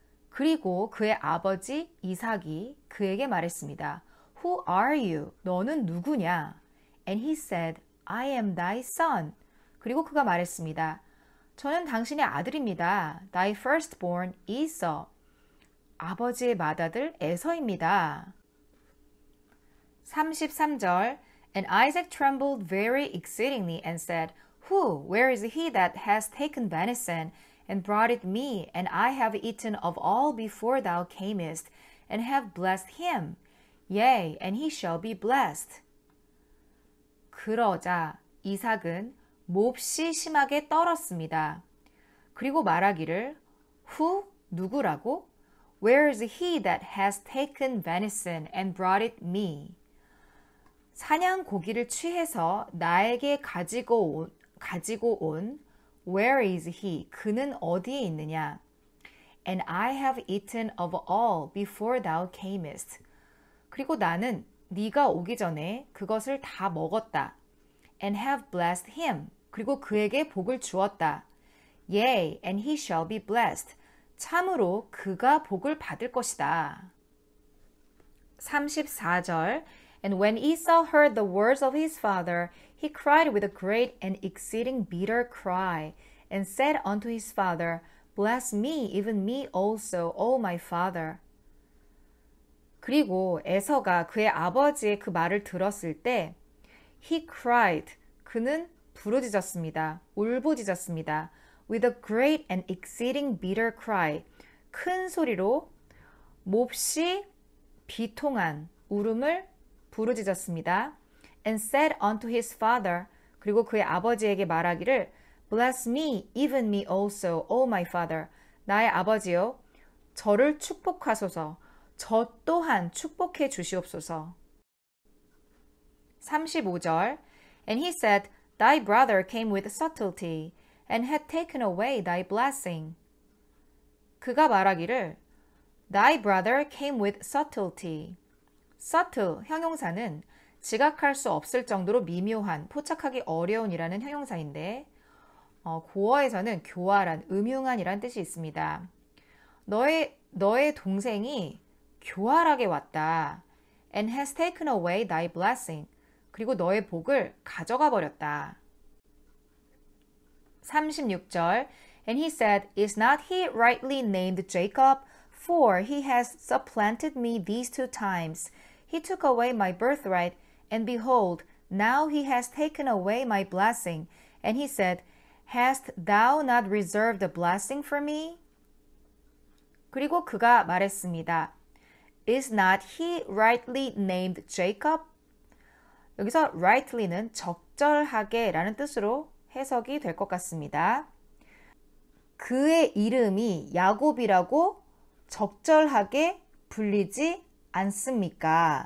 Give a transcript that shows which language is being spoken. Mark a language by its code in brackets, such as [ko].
[ko] 그리고 그의 아버지 이삭이 그에게 말했습니다. [en] Who are you? [ko] 너는 누구냐? [en] And he said, I am thy son. [ko] 그리고 그가 말했습니다. 저는 당신의 아들입니다. [en] Thy firstborn, Esau. [ko] 아버지의 맏아들 에서입니다. [en] 33절 And Isaac trembled very exceedingly and said, Who, where is he that has taken venison and brought it me, and I have eaten of all before thou camest, and have blessed him? Yea, and he shall be blessed. [ko] 그러자 이삭은 몹시 심하게 떨었습니다. 그리고 말하기를, Who, 누구라고? [en] Where is he that has taken venison and brought it me? [ko] 사냥 고기를 취해서 나에게 가지고 온 [en] Where is he? [ko] 그는 어디에 있느냐? [en] And I have eaten of all before thou camest. [ko] 그리고 나는 네가 오기 전에 그것을 다 먹었다. [en] And have blessed him. [ko] 그리고 그에게 복을 주었다. [en] Yea, and he shall be blessed. [ko] 참으로 그가 복을 받을 것이다. [en] 34절 And when Esau heard the words of his father, he cried with a great and exceeding bitter cry, and said unto his father, Bless me, even me also, O my father. [ko] 그리고 에서가 그의 아버지의 그 말을 들었을 때, [en] He cried, [ko] 그는 부르짖었습니다. 울부짖었습니다. [en] With a great and exceeding bitter cry, [ko] 큰 소리로 몹시 비통한 울음을 부르짖었습니다. [en] And said unto his father, [ko] 그리고 그의 아버지에게 말하기를, [en] Bless me, even me also, O my father. [ko] 나의 아버지요, 저를 축복하소서, 저 또한 축복해 주시옵소서. [en] 35절 And he said, Thy brother came with subtlety, and had taken away thy blessing. [ko] 그가 말하기를, [en] Thy brother came with subtlety. [ko] Subtle 형용사는 지각할 수 없을 정도로 미묘한, 포착하기 어려운이라는 형용사인데 고어에서는 교활한, 음흉한이라는 뜻이 있습니다. 너의 동생이 교활하게 왔다. [en] And has taken away thy blessing. [ko] 그리고 너의 복을 가져가 버렸다. [en] 36절 And he said, Is not he rightly named Jacob? For he has supplanted me these two times. He took away my birthright, and behold, now he has taken away my blessing. And he said, Hast thou not reserved a blessing for me? [ko] 그리고 그가 말했습니다. [en] Is not he rightly named Jacob? [ko] 여기서 rightly는 적절하게 라는 뜻으로 해석이 될 것 같습니다. 그의 이름이 야곱이라고 적절하게 불리지 않습니까?